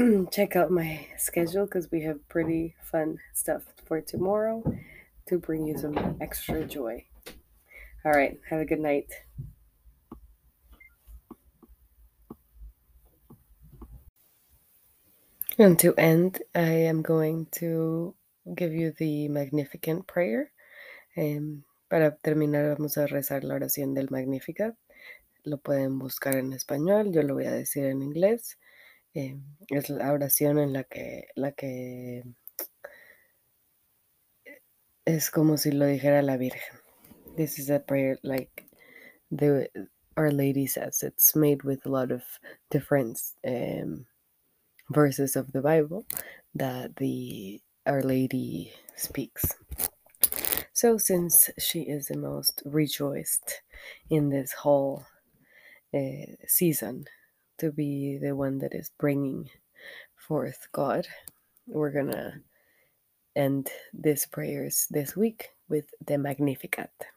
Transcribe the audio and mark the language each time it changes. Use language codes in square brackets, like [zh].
[en] Check out my schedule because we have pretty fun stuff for tomorrow to bring you some extra joy. All right, have a good night. And to end, I am going to give you the Magnificent prayer. [es] Para terminar, vamos a rezar la oración del Magnificat. Lo pueden buscar en español, yo lo voy a decir en inglés. Es la oración en la que es como si lo dijera la Virgen. [en] This is a prayer like the Our Lady says. It's made with a lot of different verses of the Bible that the Our Lady speaks. So since she is the most rejoiced in this whole season, to be the one that is bringing forth God, we're gonna end this prayers this week with the Magnificat.